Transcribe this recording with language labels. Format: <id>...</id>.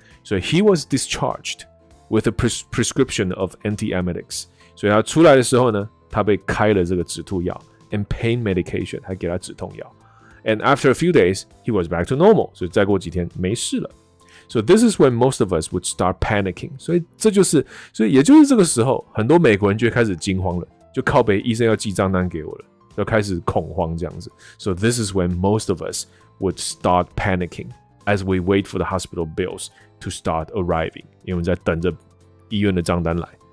<zh>所以</zh> <en>he was discharged with a prescription of antiemetics。</en> <zh>所以他出来的时候呢，他被开了这个止吐药。</zh> <en>And pain medication，</en> <zh>还给他止痛药。</zh> <en>And after a few days, he was back to normal。</en> <zh>所以再过几天没事了。</zh> <en>So this is when most of us would start panicking。</en> <zh>所以也就是这个时候，很多美国人就开始惊慌了，就靠北医生要寄账单给我了，就开始恐慌这样子。</zh> <en>So this is when most of us would start panicking as we wait for the hospital bills to start arriving。</en> <zh>因为我们在等着医院的账单来。</zh>